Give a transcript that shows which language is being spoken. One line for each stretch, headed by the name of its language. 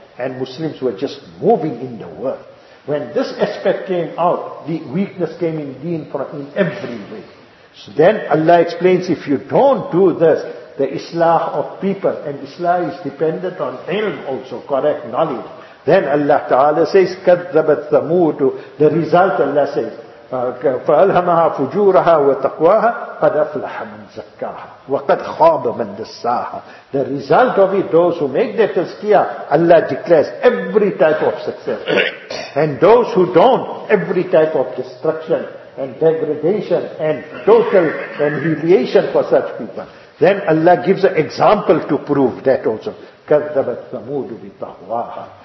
English: And Muslims were just moving in the world. When this aspect came out, the weakness came in deen from in every way. So then Allah explains, if you don't do this, the islah of people, and islah is dependent on ilm also, correct knowledge. Then Allah Ta'ala says,
Arabic: كَذَّبَتْ ثَمُودُ.
English: The result Allah says,
Arabic: فَأَلْهَمَهَا فُجُورَهَا وَتَقْوَاهَا قَدْ أَفْلَحَ مَنْ زَكَّاهَا وَقَدْ خَابَ مَنْ دَسَّاهَا.
English: The result of it, those who make their tazkiyah, Allah declares every type of success. And those who don't, every type of destruction and degradation and total annihilation for such people. Then Allah gives an example to prove that also.
Arabic: كَذَّبَتْ ثَمُودُ بِطَغْوَاهَا.